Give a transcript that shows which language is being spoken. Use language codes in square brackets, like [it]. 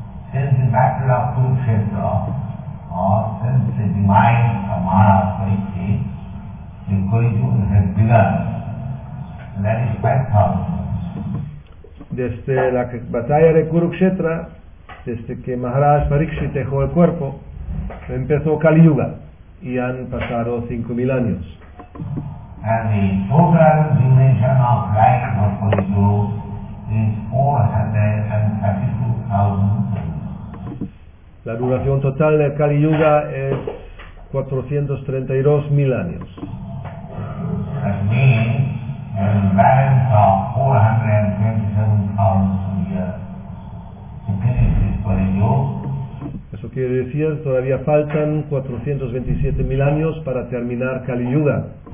[en] Since the battle of Kurukshetra, or since the demise of Maharashtra, the Kali Yuga has begun. That is 5,000 years. [es] Desde la batalla de Kurukshetra, desde que Maharaj Pariksit dejó el cuerpo, empezó Kali Yuga y han pasado 5,000 años. [en] And the total duration of life of Kali Yuga is 432,000 years. [es] La duración total del Kali Yuga es 432,000 años. [en] That means a balance of 427,000 years to finish this Kali Yuga. [es] Eso quiere decir todavía faltan 427,000 años para terminar Kali Yuga.